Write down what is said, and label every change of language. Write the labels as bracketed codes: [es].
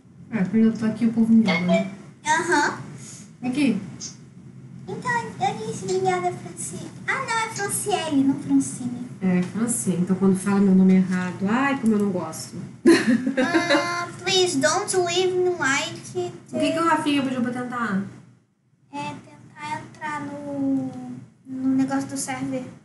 [pt] É, porque eu tô aqui, o povo me joga, né? Aham. Aqui. Então, eu disse, obrigada, Francine. Ah, não, é Franciele, não Francine. É, Francine. Então, quando fala meu nome errado, ai, como eu não gosto. [en] Please, don't leave me like. [pt] O que o Rafinha pediu pra tentar? É, tentar entrar no negócio do server.